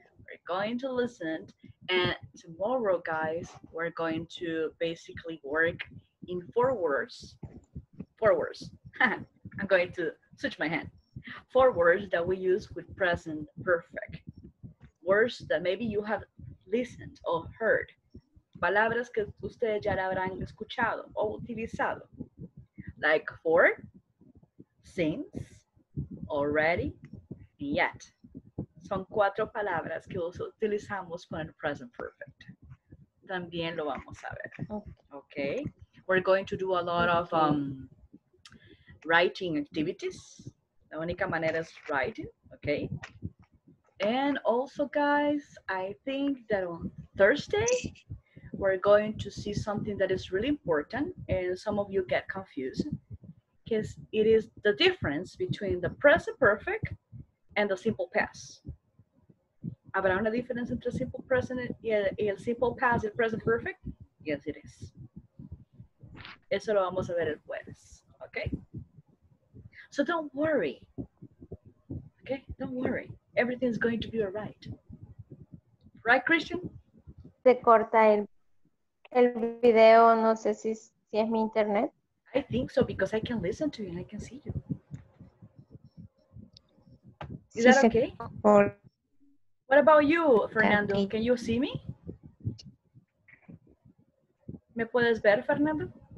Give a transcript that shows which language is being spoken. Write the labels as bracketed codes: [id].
[en] We're going to listen, and tomorrow, guys, we're going to basically work in 4 words. 4 words. I'm going to switch my hand. 4 words that we use with present perfect. Words that maybe you have listened or heard. [es] Palabras que ustedes ya habrán escuchado o utilizado. [en] Like for, since, already, and yet. [es] Son 4 palabras que utilizamos con el present perfect. También lo vamos a ver. Okay. [en] We're going to do a lot of writing activities. [es] La única manera es [en] writing. Okay. And also, guys, I think that on Thursday, we're going to see something that is really important. And some of you get confused. Because it is the difference between the present perfect and the simple past. [es] ¿Habrá una diferencia entre simple present y el simple past y el present perfect? [en] Yes, it is. [es] Eso lo vamos a ver el jueves, okay? [en] So don't worry, okay? Don't worry. Everything's going to be all right. Right, Christian? [es] Se corta el video, no sé si es mi internet. [en] I think so, because I can listen to you and I can see you. Is that okay? What about you, Fernando? Can you see me? [es] ¿Me puedes ver, Fernando?